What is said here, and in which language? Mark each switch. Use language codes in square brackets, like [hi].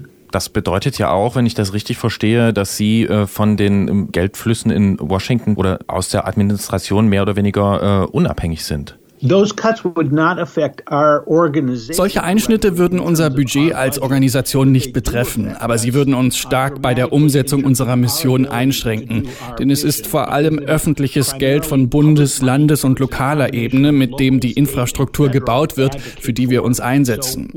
[de] Das bedeutet ja auch, wenn ich das richtig verstehe, dass Sie von den Geldflüssen in Washington oder aus der Administration mehr oder weniger unabhängig sind. [en] Those cuts would not affect our organization. [de] Solche Einschnitte würden unser Budget als Organisation nicht betreffen, aber sie würden uns stark bei der Umsetzung unserer Mission einschränken. Denn es ist vor allem öffentliches Geld von Bundes-, Landes- und lokaler Ebene, mit dem die Infrastruktur gebaut wird, für die wir uns einsetzen.